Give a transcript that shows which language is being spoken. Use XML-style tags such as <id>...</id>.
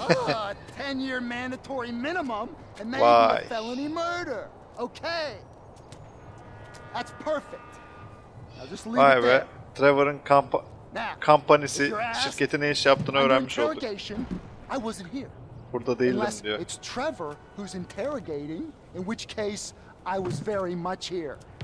<en>Ah, 10 year mandatory minimum and maybe a felony murder. Okay. That's perfect. I'll just leave it there.</en> <tr>Vay be. Trevor'ın kampanyası, şirketi ne iş yaptığını öğrenmiş olduk.</tr> <en>I wasn't here.</en> <tr>Burada değildim unless diyor.</tr> <en>It's Trevor who's interrogating, in which case I was very much here.</en>